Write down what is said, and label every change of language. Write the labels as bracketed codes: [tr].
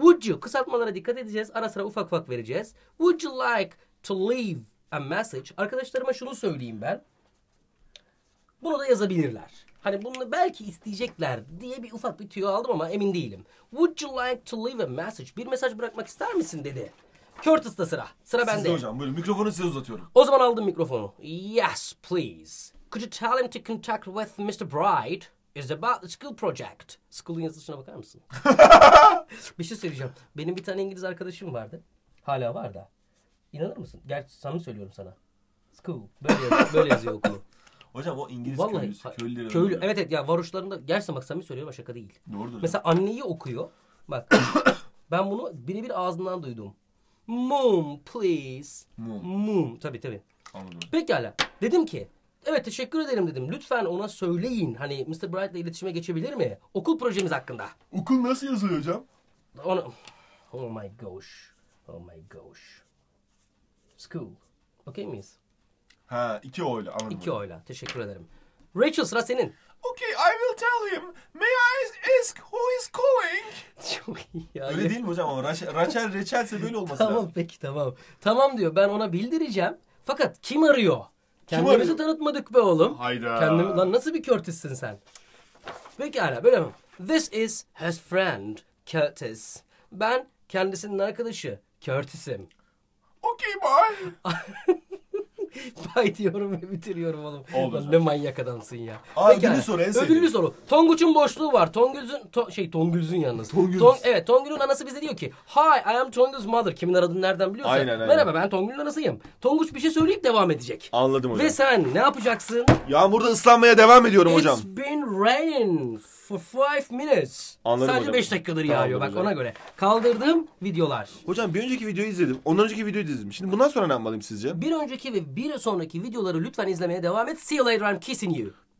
[en] Would you, [tr] kısaltmalara dikkat edeceğiz. Ara sıra ufak ufak vereceğiz. [en] Would you like to leave a message? [tr] Arkadaşlarıma şunu söyleyeyim ben. Bunu da yazabilirler. Hani bunu belki isteyecekler diye bir ufak bir tüyo aldım ama emin değilim. [en] Would you like to leave a message? [tr] Bir mesaj bırakmak ister misin dedi. Curtis'ta sıra. Sıra bende. Sizde hocam. Buyurun. Mikrofonu size uzatıyorum. O zaman aldım mikrofonu. [en] Yes, please. Could you tell him to contact with Mr. Bright? It's about the school project. [tr] School'un yazılışına bakar mısın? Bir şey söyleyeceğim. Benim bir tane İngiliz arkadaşım vardı. Hala var da. İnanır mısın? Gerçi samimi söylüyorum sana. School. Böyle yazıyor okulu. Hocam o İngiliz vallahi, köylüsü. Köylü. Evet evet. Ya varoşlarında. Gerçi bak samimi söylüyorum. Şaka değil. Doğrudur hocam. Mesela anneyi okuyor. Bak. Ben bunu birebir ağzından duydum. [en] Mum, please. Mum. [tr] Tabii. Anladım. Pekala. Dedim ki, evet teşekkür ederim dedim. Lütfen ona söyleyin. Hani Mr. Bright'la iletişime geçebilir mi? Okul projemiz hakkında. Okul nasıl yazılıyor hocam? Onu... [en] Oh my gosh. School. Okay [tr] miyiz? Ha, iki oyla. Anladım. İki oyla. Teşekkür ederim. Rachel, sıra senin. [en] Okay, I will tell him. May I ask who is calling? [tr] Çok iyi. Yani. Öyle değil mi hocam? Ama Rachel'se böyle olması tamam, lazım. Tamam peki tamam. Tamam diyor. Ben ona bildireceğim. Fakat kim arıyor? Kendimizi tanıtmadık be oğlum. Hayda. Lan nasıl bir Curtis'sin sen? Peki hala böyle mi? [en] This is his friend, Curtis. [tr] Ben kendisinin arkadaşı, Curtis'im. [en] Okay, bye. [tr] Bay diyorum ve bitiriyorum oğlum. Ne manyak adamsın ya. Ödüllü soru. Tonguç'un boşluğu var. Tonguç'un anası bize diyor ki [en] Hi, I am Tonguç's mother. [tr] Kimin aradığını nereden biliyorsun? Aynen. Merhaba, ben Tonguç'un anasıyım. Tonguç bir şey söyleyip devam edecek. Anladım hocam. Ve sen ne yapacaksın? Yağmurda ıslanmaya devam ediyorum hocam. [en] It's been raining for 5 minutes. [tr] Anladım. Sadece 5 dakikadır tamam, yağıyor. Bak hocam. Ona göre. Kaldırdığım videolar. Hocam bir önceki videoyu izledim. Ondan önceki videoyu da izledim. Şimdi bundan sonra ne yapmalıyım sizce? Bir önceki ve bir sonraki videoları lütfen izlemeye devam et. [en] See you later, I'm kissing you.